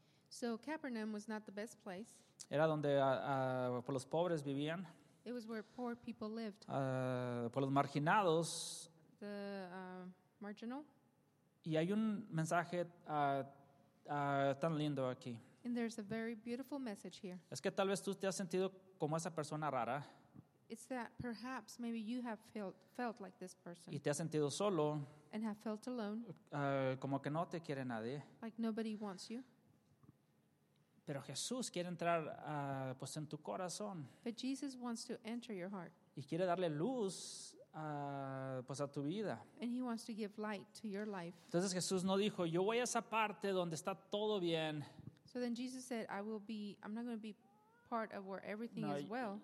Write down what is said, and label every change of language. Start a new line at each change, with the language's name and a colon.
English: So Capernaum was not the best place.
Spanish: Era donde por los pobres vivían.
English: It was where poor people lived.
Spanish: Por los marginados.
English: The marginal.
Spanish: Y hay un mensaje tan lindo aquí.
English: And there's a very beautiful message here.
Spanish: Es que tal vez tú te has sentido como esa persona rara.
English: It's that perhaps maybe you have felt like this person.
Spanish: Y te has sentido solo.
English: And have felt alone.
Spanish: Como que no te quiere nadie.
English: Like nobody wants you.
Spanish: Pero Jesús quiere entrar pues en tu corazón.
English: But Jesus wants to enter your heart.
Spanish: Y quiere darle luz pues a tu vida.
English: And he wants to give light to your life.
Spanish: Entonces Jesús no dijo, yo voy a esa parte donde está todo bien.
English: So then Jesus said, I'm not going to be part of where everything is well.